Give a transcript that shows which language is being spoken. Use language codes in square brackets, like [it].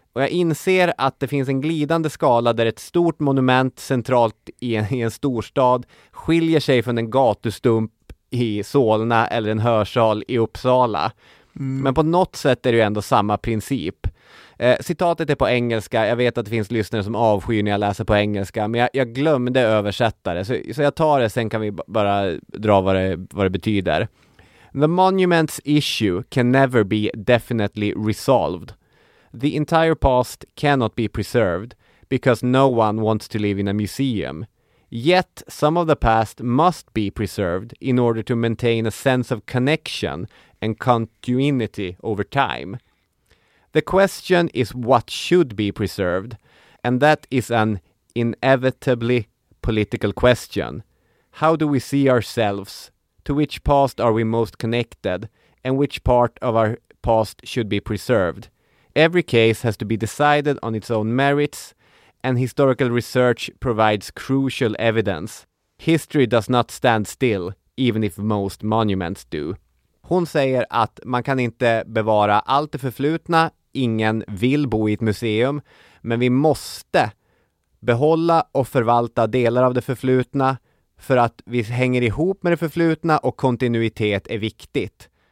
[sv] Och jag inser att det finns en glidande skala där ett stort monument centralt i en storstad skiljer sig från en gatustump i Solna eller en hörsal i Uppsala. Mm. Men på något sätt är det ju ändå samma princip. Citatet är på engelska. Jag vet att det finns lyssnare som avskyr när jag läser på engelska. Men jag glömde översätta det. Så jag tar det, sen kan vi bara dra vad det betyder. [en] The monument's issue can never be definitely resolved. The entire past cannot be preserved because no one wants to live in a museum. Yet some of the past must be preserved in order to maintain a sense of connection and continuity over time. The question is what should be preserved, and that is an inevitably political question. How do we see ourselves? To which past are we most connected? And which part of our past should be preserved? Every case has to be decided on its own merits, and historical research provides crucial evidence. History does not stand still, even if most monuments do. [sv] Hon säger att man kan inte bevara allt det förflutna, ingen vill bo i ett museum, men vi måste behålla och förvalta delar av det förflutna för att vi hänger ihop med det förflutna, och kontinuitet är viktigt.